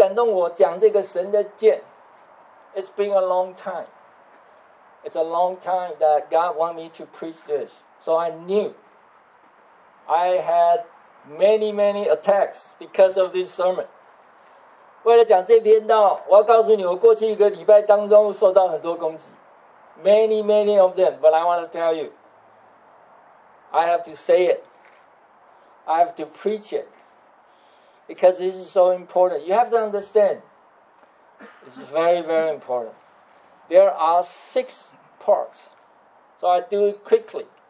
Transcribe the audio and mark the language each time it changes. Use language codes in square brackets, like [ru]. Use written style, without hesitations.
[zh] 那今天上帝感动我讲这个神的箭, [en] It's been a long time. It's a long time that God wanted me to preach this. So I knew I had many, many attacks because of this sermon. [zh] 为了讲这篇道,我要告诉你,我过去一个礼拜当中受到很多攻击。 [en] Many, many of them, but I want to tell you, I have to say it. I have to preach it. Because this is so important. You have to understand, it's very, very important. There are six parts. So I do it quickly.